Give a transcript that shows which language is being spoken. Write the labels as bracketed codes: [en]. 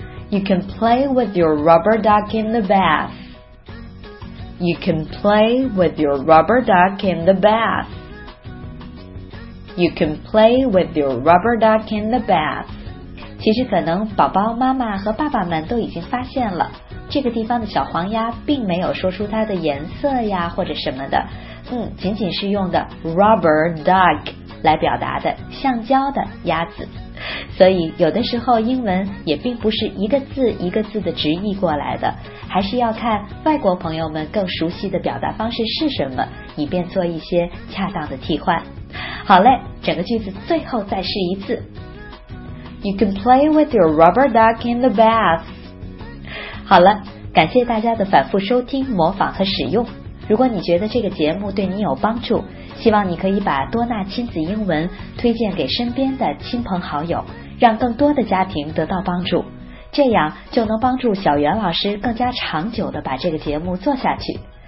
[en] You can play with your rubber duck in the bath. You can play with your rubber duck in the bath. You can play with your rubber duck in the bath. [zh] 其实可能宝宝妈妈和爸爸们都已经发现了，这个地方的小黄鸭并没有说出它的颜色呀或者什么的，仅仅是用的 rubber duck 来表达的橡胶的鸭子。所以有的时候英文也并不是一个字一个字的直译过来的，还是要看外国朋友们更熟悉的表达方式是什么，以便做一些恰当的替换。好嘞，整个句子最后再试一次。 [en] You can play with your rubber duck in the bath。 [zh] 好了，感谢大家的反复收听、模仿和使用。如果你觉得这个节目对你有帮助，希望你可以把多纳亲子英文推荐给身边的亲朋好友，让更多的家庭得到帮助，这样就能帮助小袁老师更加长久地把这个节目做下去。